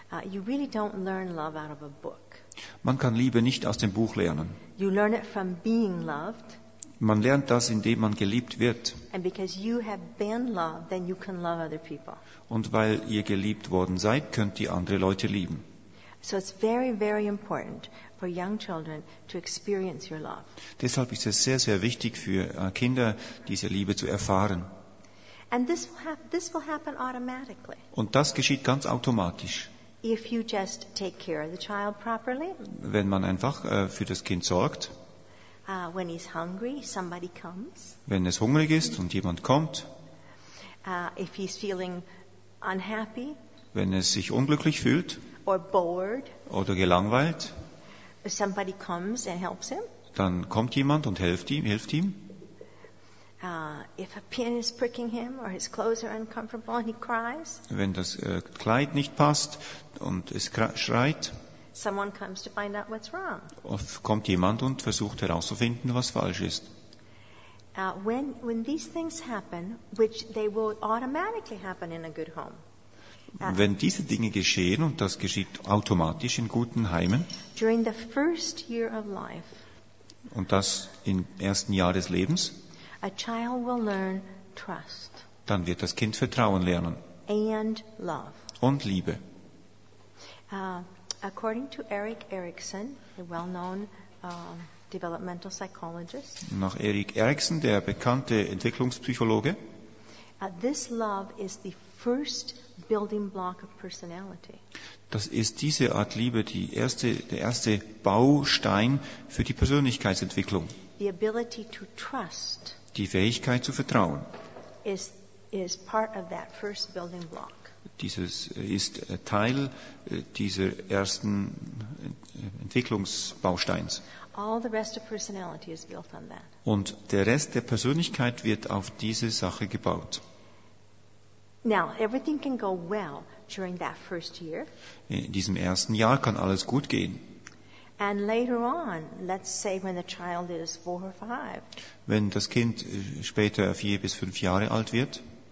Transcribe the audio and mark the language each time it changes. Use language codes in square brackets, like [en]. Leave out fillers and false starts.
[en] You really don't learn love out of a book. [de] Man kann Liebe nicht aus dem Buch lernen. [en] You learn it from being loved. [de] Man lernt das, indem man geliebt wird. [en] And because you have been loved, then you can love other people. [de] Und weil ihr geliebt worden seid, könnt ihr andere Leute lieben. [en] So it's very, very important for young children to experience your love. [de] Deshalb ist es sehr, sehr wichtig für Kinder, diese Liebe zu erfahren. [en] And this will happen automatically. [de] Und das geschieht ganz automatisch. [en] If you just take care of the child properly. [de] Wenn man einfach für das Kind sorgt. [en] When he's hungry, somebody comes. [de] Wenn es hungrig ist und jemand kommt. [en] If he's feeling unhappy. [de] Wenn es sich unglücklich fühlt. [en] Or bored. [de] Oder gelangweilt. [en] Somebody comes and helps him. [de] Dann kommt jemand und hilft ihm. [en] If a pin is pricking him or his clothes are uncomfortable and he cries. [de] Wenn das Kleid nicht passt und es schreit. [en] Someone comes to find out what's wrong. [de] Oft kommt jemand und versucht herauszufinden, was falsch ist. [en] When these things happen, which they will automatically happen in a good home. [de] Wenn diese Dinge geschehen und das geschieht automatisch in guten Heimen. [en] During the first year of life. [de] Und das im ersten Jahr des Lebens. [en] A child will learn trust. [de] Dann wird das Kind Vertrauen lernen. [en] And love. [de] Und Liebe. [en] According to Erik Erikson, a well-known developmental psychologist. [de] Nach Erik Erikson, der bekannte Entwicklungspsychologe. [en] This love is the first building block of personality. [de] Das ist diese Art Liebe, der erste Baustein für die Persönlichkeitsentwicklung. [en] The ability to trust. [de] Die Fähigkeit zu vertrauen. [en] Is part of that first building block. [de] Dieses ist Teil dieser ersten Entwicklungsbausteins. [en] All the rest of personality is built on that. [de] Und der Rest der Persönlichkeit wird auf diese Sache gebaut. [en] Now, everything can go well during that first year. [de] In diesem ersten Jahr kann alles gut gehen. [en] And later on, let's say when the child is 4 or 5. [de] Wenn das Kind später 4 bis 5 Jahre alt wird,